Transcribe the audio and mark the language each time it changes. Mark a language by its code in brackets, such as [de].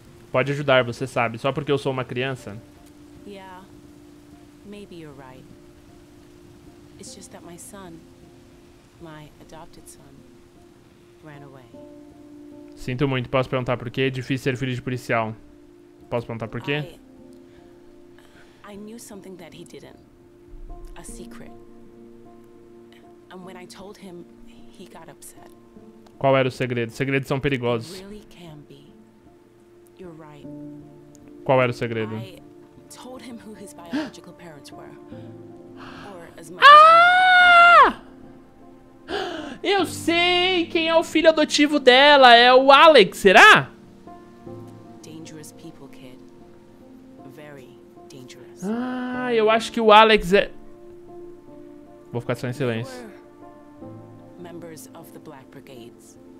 [pt] Pode ajudar, você sabe. Só porque eu sou uma criança? [en] Maybe you're right. It's just that my son, my adopted son, ran away. [pt] Sinto muito, posso perguntar por quê? É difícil ser filho de policial. Posso perguntar por quê? [en] I knew something that he didn't. A secret. And when I told him, he got upset. [pt] Qual era o segredo? Segredos são perigosos. [en] Really can be. You're right. [pt] Qual era o segredo? [en] Told him who his biological parents were. Or as much as [pt] Eu sei quem é o filho adotivo dela, é o Alex, será? [en] Dangerous people, kid. Very dangerous. [pt] Ah, eu acho que o Alex é. Vou ficar só em silêncio. [en] Members of the Black Brigades.